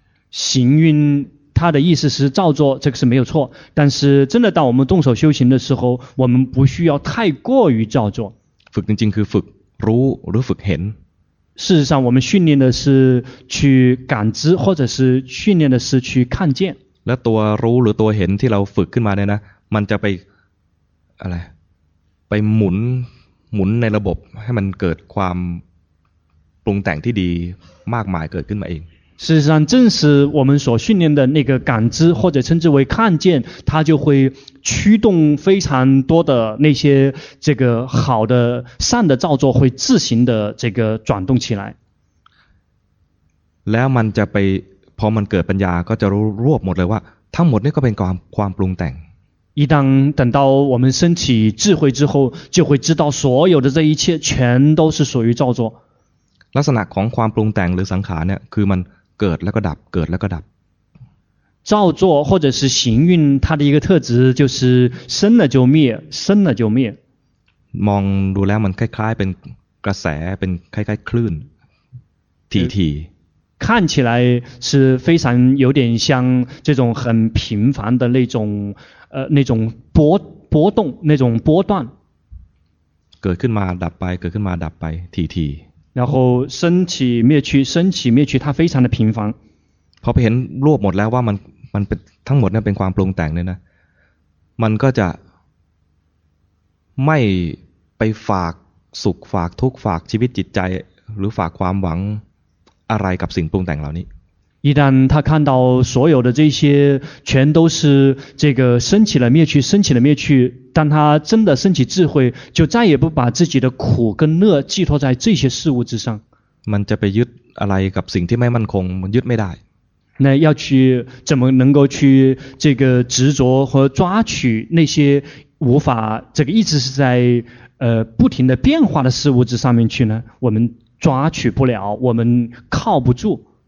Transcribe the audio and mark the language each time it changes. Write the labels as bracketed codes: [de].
[zh] 行运它的意思是照做这个是没有错但是真的当我们动手修行的时候我们不需要太过于照做 [th] ฝึกจริงๆคือฝึกรู้หรือฝึกเห็น [zh] 事实上我们训练的是去感知或者是训练的是去看见 [th] และตัวรู้หรือตัวเห็นที่เราฝึกขึ้นมาเนี่ยนะมันจะไปอะไรไปหมุนในระบบให้มันเกิดความปรุงแต่งที่ดีมากมายเกิดขึ้นมาเอง [zh] 事实上正是我们所训练的那个感知或者称之为看见它就会驱动非常多的那些这个好的善的造作会自行的这个转动起来 [th] แล้วมันจะไปพอมันเกิดปัญญาก็จะรู้รวบหมดเลยว่าทั้งหมดนี่ก็เป็นความปรุงแต่ง [zh] 一旦等到我们升起智慧之后就会知道所有的这一切全都是属于造作 [th] ลักษณะของความปรุงแต่งหรือสังขารเนี่ยคือมันเกิดแล้วก็ดับเกิดแล้วก็ดับ [zh] 造作或者是行运它的一个特质就是生了就灭生了就灭 [th] มองดูแล้วมันคล้ายๆเป็นกระแสเป็นคล้ายๆคลื่นที [zh] 看起来是非常有点像这种很频繁的那种波动那种波段 [th] เกิดขึ้นมาดับไปเกิดขึ้นมาดับไปที [zh] 然后升起灭去升起灭去它非常的频繁 [th] พอไปเห็นรวบหมดแล้วว่ามันเป็นทั้งหมดเนี่ยเป็นความปรุงแต่งเนี่ยนะมันก็จะไม่ไปฝากสุขฝากทุกข์ฝากชีวิตจิตใจหรือฝากความหวังอะไรกับสิ่งปรุงแต่งเหล่านี้ [zh] 一旦他看到所有的这些全都是这个升起了灭去升起了灭去当他真的升起智慧就再也不把自己的苦跟乐寄托在这些事物之上 [th] มันจะไปยึดอะไรกับสิ่งที่ไม่มั่นคงมันยึดไม่ได้ [zh] 那要去怎么能够去这个执着和抓取那些无法这个一直是在不停的变化的事物之上面去呢我们抓取不了我们靠不住